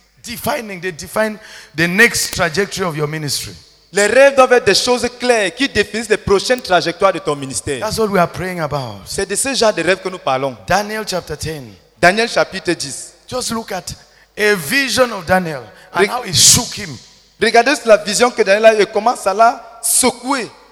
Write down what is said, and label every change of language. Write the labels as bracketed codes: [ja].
[en] They define the next trajectory of your ministry. [fr] Les rêves doivent être des choses claires qui définissent les prochaines trajectoires de ton ministère. [en] That's what we are praying about. [fr] C'est de ce genre de rêve que nous parlons. [en] Daniel chapter 10. [fr] Daniel chapitre 10. [en] Just look at a vision of Daniel and how it shook him. [fr] Regardez la vision que Daniel a eu et comment ça l'a secoué.